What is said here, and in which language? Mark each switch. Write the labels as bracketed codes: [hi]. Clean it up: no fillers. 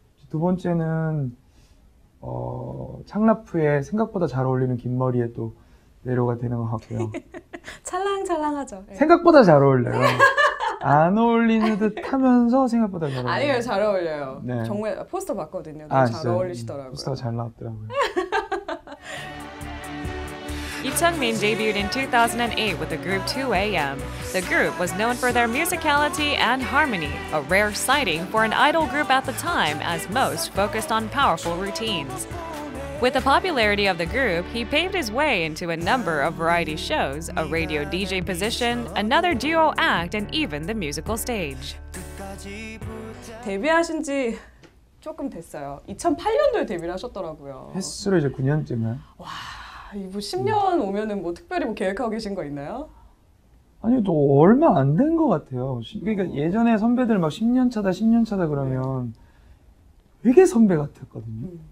[ko] 두 번째는 창라프에 생각보다 잘 어울리는 긴 머리에 또 매료가 되는 것 같고요. 찰랑찰랑하죠. 네. 생각보다 잘 어울려요. 안 어울리는 듯 하면서 생각보다 잘 어울려요. 아니요, 잘 어울려요. 네. 정말 포스터 봤거든요. 아, 잘 어울리시더라고요. 포스터 잘 나왔더라고요. [en] 이 창민 [ko] 데뷔했 [en] in 2008 with the group 2AM. The group was known for their musicality and harmony, a rare sighting for an idol group at the time as most focused on powerful routines. With the popularity of the group, he paved his way into a number of variety shows, a radio DJ position, another duo act, and even the musical stage. [ko] 데뷔하신 지 조금 됐어요. 2008년도에 데뷔를 하셨더라고요. 횟수로 이제 9년째면. 와, 이거 10년 오면은 뭐 특별히 뭐 계획하고 계신 거 있나요? 아니, 또 얼마 안 된 것 같아요. 그러니까 예전에 선배들 막 10년 차다 그러면 되게 선배 같았거든요.